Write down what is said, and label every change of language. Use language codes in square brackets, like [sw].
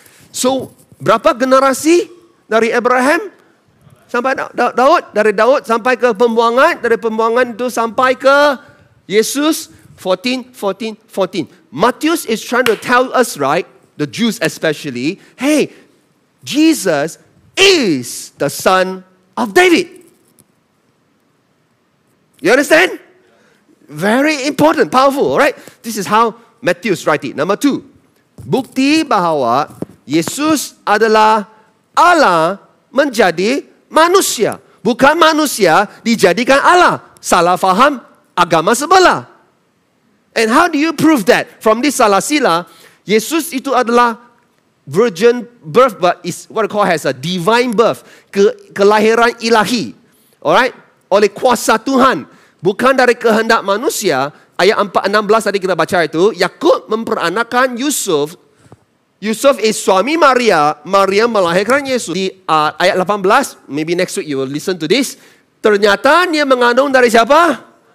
[ms] So, berapa generasi dari Abraham sampai Daud, dari Daud sampai ke pembuangan, dari pembuangan itu sampai ke Yesus, 14. [en] Matthew is trying to tell us, right, the Jews especially, hey, Jesus is the son of David. You understand? Very important, powerful, right? This is how Matthew writes it. Number two, [ms] bukti bahwa Yesus adalah Allah menjadi manusia. Bukan manusia dijadikan Allah. Salah faham agama sebelah. [en] And how do you prove that? From this salah sila, [ms] Yesus itu adalah [en] virgin birth, but is what we call has a divine birth. [ms] Kelahiran ilahi. [en] Alright? [ms] Oleh kuasa Tuhan. Bukan dari kehendak manusia. Ayat 4:16 tadi kita baca itu. Yakub memperanakan Yusuf. Yusuf is suami Maria. Maria melahirkan Yesus. Di ayat 18, [en] maybe next week you will listen to this. [ms] Ternyata dia mengandung dari siapa?